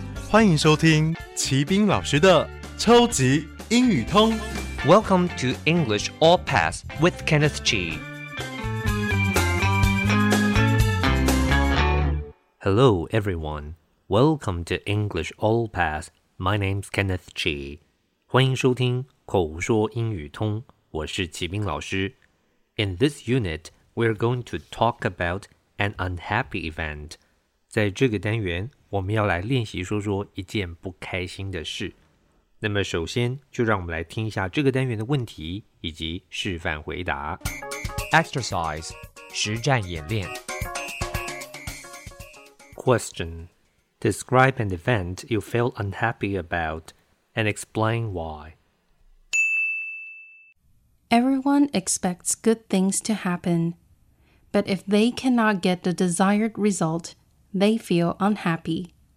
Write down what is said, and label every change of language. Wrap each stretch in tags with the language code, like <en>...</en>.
<zh>欢迎收听齐宾老师的超级英语通。</zh> <en>Welcome to English All Pass with Kenneth G. Hello, everyone. Welcome to English All Pass. My name's Kenneth G.</en> <zh>欢迎收听口说英语通。我是齐宾老师。</zh> <en>In this unit, we're going to talk about an unhappy event.</en> <zh>在这个单元，我们要来练习说说一件不开心的事。那么首先就让我们来听一下这个单元的问题以及示范回答。 Exercise, 实战演练。</zh> <en>Question, describe an event you feel unhappy about and explain why. Everyone expects good things to happen, but if they cannot get the desired result, they feel unhappy.</en>